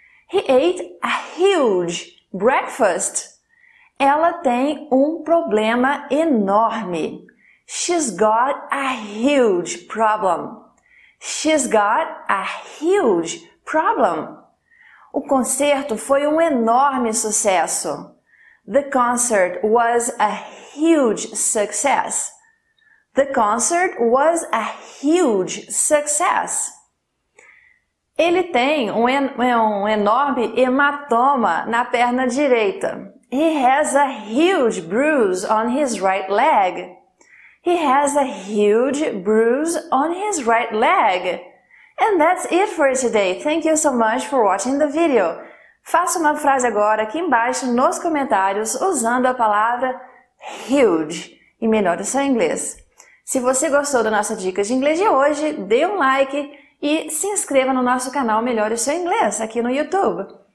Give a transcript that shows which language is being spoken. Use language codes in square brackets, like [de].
[en] He ate a huge breakfast. [pt] Ela tem um problema enorme. [en] She's got a huge problem. She's got a huge problem. [pt] O concerto foi um enorme sucesso. [en] The concert was a huge success. The concert was a huge success. [pt] Ele tem um enorme hematoma na perna direita. [en] He has a huge bruise on his right leg. He has a huge bruise on his right leg. And that's it for today. Thank you so much for watching the video. [pt] Faça uma frase agora aqui embaixo nos comentários usando a palavra huge e melhore seu inglês. Se você gostou da nossa dica de inglês de hoje, dê um like e se inscreva no nosso canal Melhore Seu Inglês aqui no YouTube.